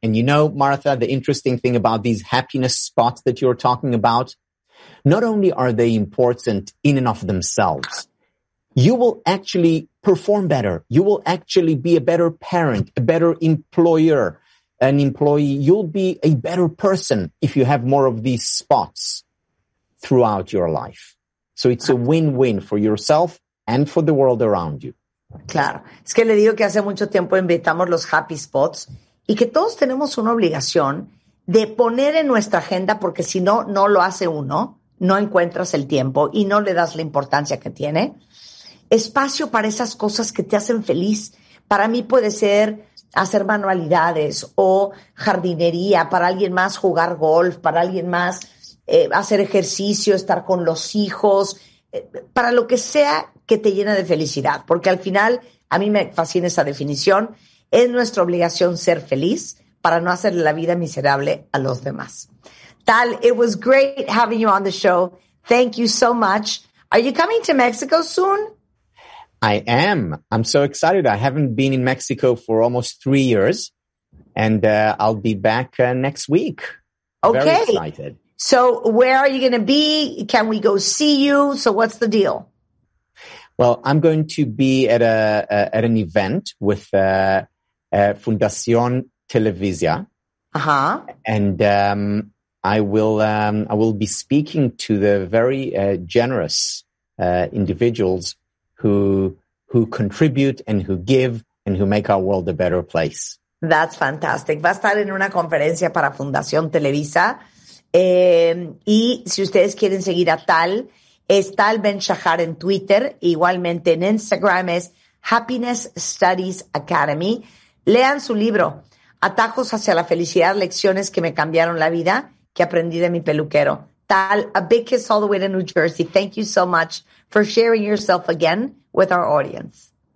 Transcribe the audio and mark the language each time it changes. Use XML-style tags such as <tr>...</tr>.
<en>And you know, Martha, the interesting thing about these happiness spots that you're talking about, not only are they important in and of themselves, you will actually perform better. You will actually be a better parent, a better employer, an employee. You'll be a better person if you have more of these spots throughout your life. So it's a win-win for yourself and for the world around you.</en> <es>Claro. Es que le digo que hace mucho tiempo invitamos los happy spots y que todos tenemos una obligación de poner en nuestra agenda, porque si no, no lo hace uno. No encuentras el tiempo y no le das la importancia que tiene. Espacio para esas cosas que te hacen feliz. Para mí puede ser hacer manualidades o jardinería, para alguien más jugar golf, para alguien más hacer ejercicio, estar con los hijos, para lo que sea que te llene de felicidad, porque al final a mí me fascina esa definición, es nuestra obligación ser feliz para no hacerle la vida miserable a los demás.</es> <en>Tal, it was great having you on the show. Thank you so much. Are you coming to Mexico soon? I am. I'm so excited. I haven't been in Mexico for almost 3 years, and I'll be back next week. Okay. Very excited. So where are you going to be? Can we go see you? So what's the deal? Well, I'm going to be at an event with Fundación Televisa. Uh-huh. And I will be speaking to the very generous individuals who contribute and who give and who make our world a better place. That's fantastic.</en> <es>Va a estar en una conferencia para Fundación Televisa. Y si ustedes quieren seguir a Tal, es Tal Ben-Shahar en Twitter. Igualmente en Instagram es Happiness Studies Academy. Lean su libro, Atajos hacia la Felicidad, Lecciones que me cambiaron la vida, que aprendí de mi peluquero.</es> <en>Tal, a big kiss all the way to New Jersey. Thank you so much for sharing yourself again with our audience.</en>